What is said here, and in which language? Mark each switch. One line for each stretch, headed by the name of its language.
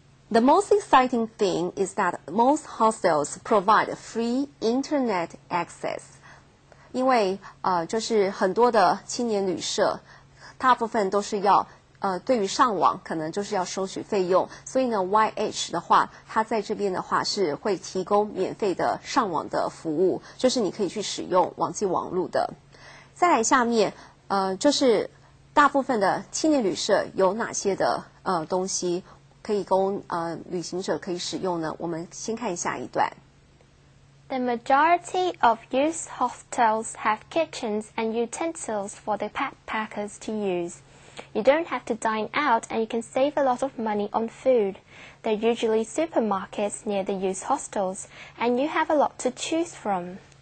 English: The most exciting thing is that most hostels provide free internet access.
Chinese: 因为就是很多的青年旅社大部分都是要对于上网可能就是要收取费用，所以呢 YH 的话，它在这边的话是会提供免费的上网的服务，就是你可以去使用网际网络的。再来下面就是大部分的青年旅社有哪些的东西可以供旅行者可以使用呢？我们先看下一段。
English: The majority of youth hostels have kitchens and utensils for the backpackers to useYou don't have to dine out and you can save a lot of money on food. There are usually supermarkets near the youth hostels and you have a lot to choose from.